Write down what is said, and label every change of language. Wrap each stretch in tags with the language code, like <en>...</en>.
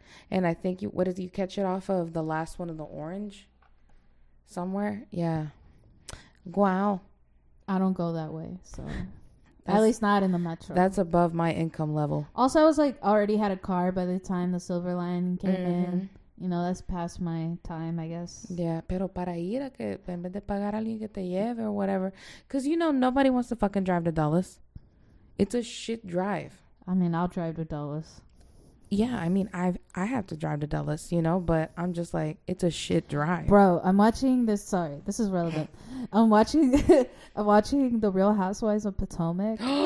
<en>And I think you catch it off of the last one of the orange somewhere? Yeah. Wow. I don't go that way, so. At least not in the metro. That's above my income level. Also, I was like already had a car by the time the Silver Line came in. You know, that's past my time, I guess.</en> <es>Yeah, pero para ir a que en vez de pagar a alguien que te lleve</es> <en>or whatever. Because, you know, nobody wants to fucking drive to Dulles. It's a shit drive. I mean, I'll drive to Dulles. Yeah, I mean, I have to drive to Dulles, you know, but I'm just like, it's a shit drive. Bro, I'm watching this. Sorry, this is relevant. I'm watching The Real Housewives of Potomac.</en>